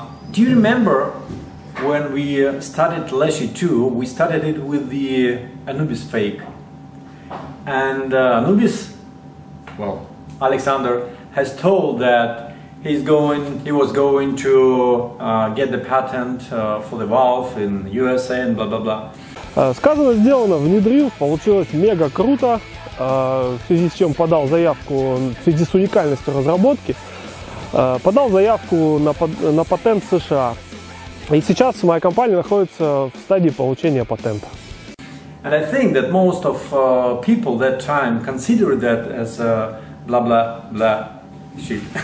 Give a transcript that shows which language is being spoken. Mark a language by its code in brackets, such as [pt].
[en] Do you remember when we started Leshy 2, we started it with the Anubis fake. And Anubis, well, Alexander, has told that he was going to get the patent for the valve in USA and blah blah blah. [ru] Сказано, сделано, внедрил, получилось мега круто, в связи с чем подал заявку, в связи с уникальностью разработки, подал заявку на патент США. И сейчас моя компания находится в стадии получения патента. [en] And I think that most of people that time considered that as a blah blah blah shit.